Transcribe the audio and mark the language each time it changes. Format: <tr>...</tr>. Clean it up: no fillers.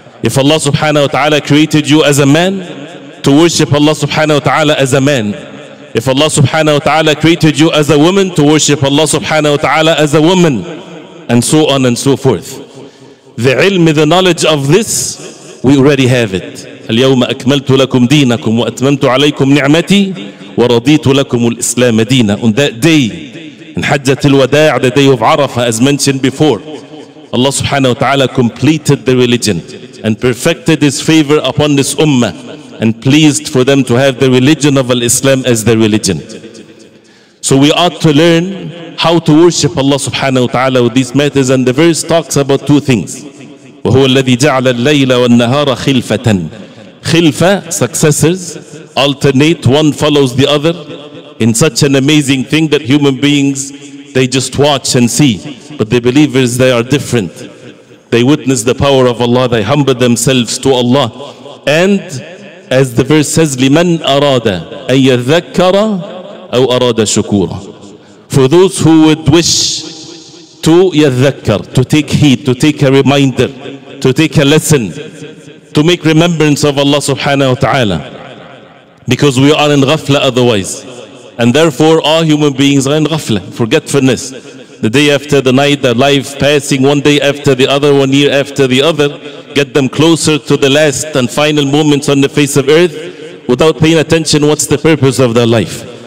<en>If Allah subhanahu wa ta'ala created you as a man, to worship Allah subhanahu wa ta'ala as a man. If Allah subhanahu wa ta'ala created you as a woman, to worship Allah subhanahu wa ta'ala as a woman, and so on and so forth. The ilm, the knowledge of this, we already have it.</en> <ar>اليوم أكملت لكم دينكم وأتممت عليكم نعمتي ورضيت لكم الإسلام دينا.</ar> <en>On that day, in حجة الوداع, the day of Arafah, as mentioned before, Allah subhanahu wa ta'ala completed the religion and perfected His favor upon this ummah and pleased for them to have the religion of Al-Islam as their religion. So we ought to learn how to worship Allah subhanahu wa ta'ala with these matters, and the verse talks about two things.</en> <ar>وهو الذي جعل الليل والنهار خلفة.</ar> <en>خلفة, successors, alternate, one follows the other in such an amazing thing that human beings, they just watch and see. But the believers, they are different. They witness the power of Allah, they humble themselves to Allah. And as the verse says,</en> <ar>لمن أراد أن يذكر أو أراد شكورا.</ar> <en>For those who would wish to يذكر, to take heed, to take a reminder, to take a lesson, to make remembrance of Allah subhanahu wa ta'ala, because we are in ghafla otherwise, and therefore all human beings are in ghafla, forgetfulness, the day after the night, the life passing one day after the other, one year after the other, get them closer to the last and final moments on the face of earth without paying attention what's the purpose of their life.</en>